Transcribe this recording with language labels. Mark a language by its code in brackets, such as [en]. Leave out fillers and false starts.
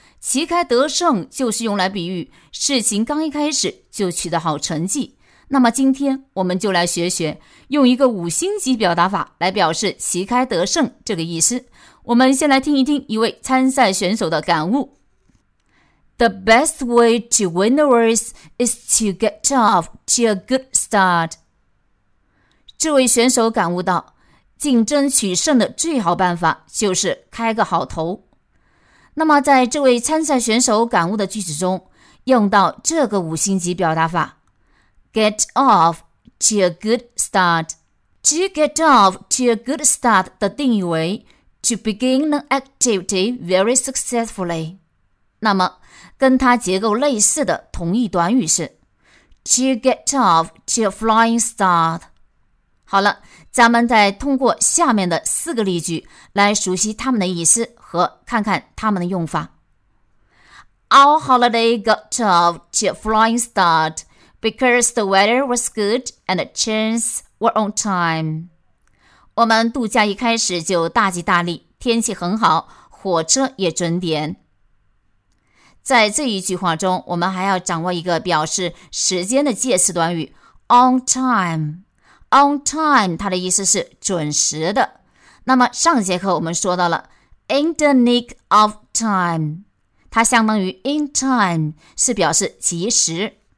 [zh] 旗开得胜就是用来比喻事情刚一开始就取得好成绩。那么今天我们就来学学用一个五星级表达法来表示旗开得胜这个意思。我们先来听一听一位参赛选手的感悟。 [en] The best way to win the race is to get off to a good start. [zh] 这位选手感悟到，竞争取胜的最好办法就是开个好头。那么在这位参赛选手感悟的句子中，用到这个五星级表达法 [en] get off to a good start. To get off to a good start [zh] 的定义为 [en] to begin an activity very successfully. [zh] 那么跟它结构类似的同义短语是 [en] To get off to a flying start. [zh] 好了，咱们再通过下面的四个例句来熟悉它们的意思和看看它们的用法。 [en] Our holiday got off to a flying start because the weather was good and the trains were on time. [zh] 我们度假一开始就大吉大利，天气很好，火车也准点。在这一句话中，我们还要掌握一个表示时间的介词短语 [en] on time。 on time [zh] 它的意思是准时的。那么上节课我们说到了 [en] in the nick of time， [zh] 它相当于 [en] in time， [zh] 是表示及时。